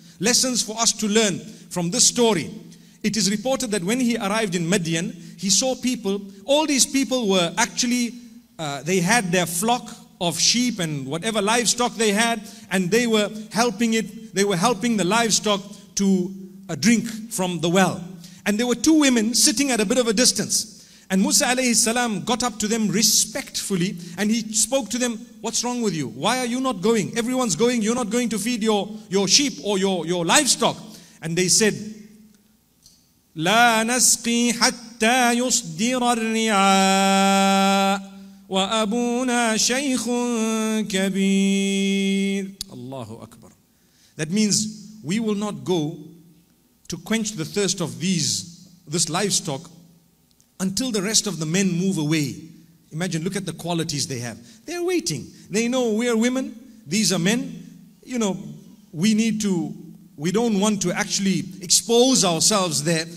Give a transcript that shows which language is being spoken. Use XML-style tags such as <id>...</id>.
<en>Lessons for us to learn from this story. It is reported that when he arrived in Madian, he saw people, all these people were actually, they had their flock of sheep and whatever livestock they had, and they were helping it, they were helping the livestock to drink from the well. And there were two women sitting at a bit of a distance. And Musa alayhi salam got up to them respectfully and he spoke to them, what's wrong with you? Why are you not going? Everyone's going, you're not going to feed your sheep or your livestock. And they said,</en> <ar>لا نسقي حتى يصدر الرعاء وأبونا شيخ كبير. Allahu Akbar.</ar> <en>That means we will not go to quench the thirst of this livestock until the rest of the men move away. Imagine, look at the qualities they have. They're waiting. They know we are women, these are men. You know, we don't want to actually expose ourselves there.</en>